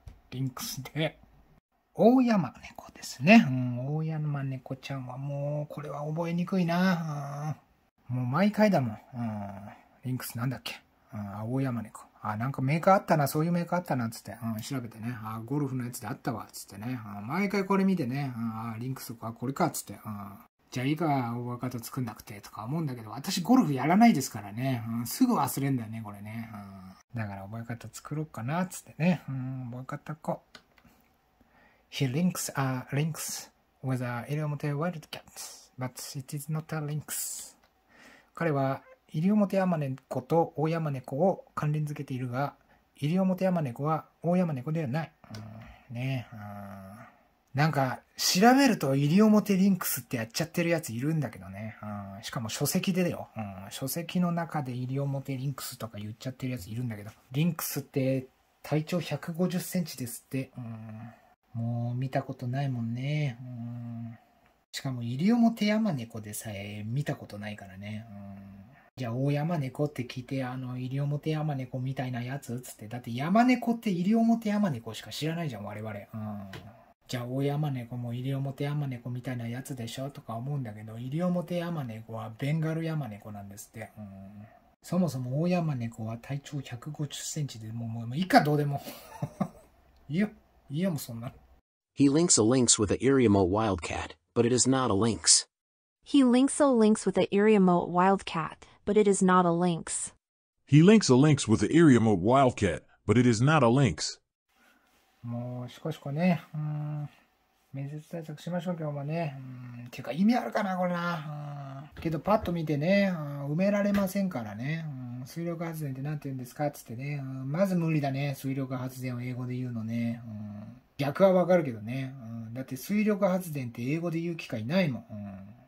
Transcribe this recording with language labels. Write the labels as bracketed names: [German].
[Japanese] リンクスで大山猫ですね、うん、大山猫ちゃんはもうこれは覚えにくいな、うん、もう毎回だもん、うん、リンクスなんだっけ、うん、大山猫、あ、なんかメーカーあったな、そういうメーカーあったなっつって、うん、調べてね、あ、ゴルフのやつであったわっつってね、あ、毎回これ見てね、あ、リンクスか、これかっつって、うん、じゃあいいか、大型作んなくてとか思うんだけど、私ゴルフやらないですからね、うん、すぐ忘れんだよね、これね、うん、だから覚え方作ろうかなっつってね、うん、覚え方こう。 [English] He links a lynx with a Iriomote wildcat, but it is not a lynx. [Japanese] 彼はイリオモテヤマネコとオオヤマネコを関連付けているが、イリオモテヤマネコはオオヤマネコではない。うん、ね、うん、なんか、調べるとイリオモテリンクスってやっちゃってるやついるんだけどね。うん、しかも書籍でだよ、うん。書籍の中でイリオモテリンクスとか言っちゃってるやついるんだけど。リンクスって体長150センチですって。うん、もう見たことないもんね。うん、しかも、イリオモテヤマネコでさえ見たことないからね。うん、じゃあ、大山猫って聞いて、あの、イリオモテヤマネコみたいなやつつって。だって、山猫ってイリオモテヤマネコしか知らないじゃん、我々。うん、じゃあ、大山猫もイリオモテヤマネコみたいなやつでしょとか思うんだけど、イリオモテヤマネコはベンガルヤマネコなんですって。うん、そもそも大山猫は体長150センチで、もう、いいか、どうでも。いいよ、もうそんな。 [English] He links a lynx with an Iriomote wildcat, but it is not a lynx. He links a lynx with an Iriomote wildcat. But it is not a lynx. He links a lynx with the Iriomote wildcat, but it is not a lynx. [Japanese] もうしこしこね、うん、面接対策しましょう今日もね、うん、てか意味あるかなこれな、うん、けどパッと見てね、うん、埋められませんからね、うん、水力発電ってなんて言うんですかっつってね、うん、まず無理だね、水力発電を英語で言うのね、うん、逆はわかるけどね、うん、だって水力発電って英語で言う機会ないもん、うん、